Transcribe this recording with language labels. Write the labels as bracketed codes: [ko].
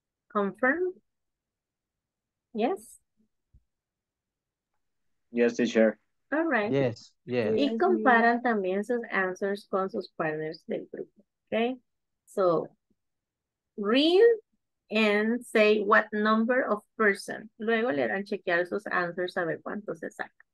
[en] Confirm? Yes? Yes, teacher. All right. Yes, yes. [es] Y comparan también sus answers con sus partners del grupo. [en] Okay? So, read and say what number of person. [es] Luego le dan chequear sus answers a ver cuánto se saca.